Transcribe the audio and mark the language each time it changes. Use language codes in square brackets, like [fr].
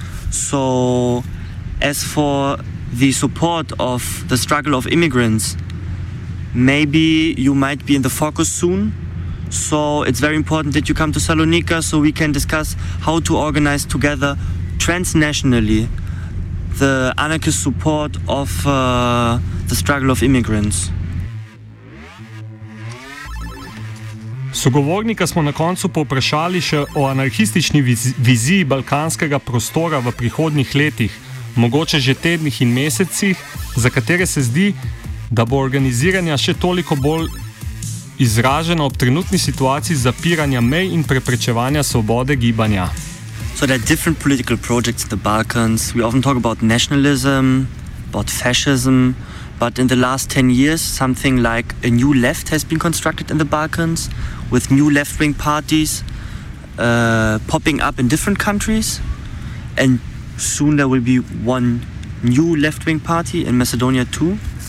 [en] So, as for the support of the struggle of immigrants, maybe you might be in the focus soon. So it's very important that you come to Salonika so we can discuss how to organize together transnationally the anarchist support of the struggle of immigrants. [sl] Sogovornika smo na koncu povprašali še o anarhistični viziji balkanskega prostora v prihodnjih letih, mogoče že tednih in mesecih, za katere se zdi, da bo organiziranja še toliko bolj izražena ob trenutni situaciji zapiranja mej in preprečevanja svobode gibanja. [en] So there are different political projects in the Balkans. We often talk about nationalism, about fascism, but in the last 10 years something like a new left has been constructed in the Balkans, with new left-wing parties popping up in different countries, and soon there will be one new left-wing party in Macedonia too.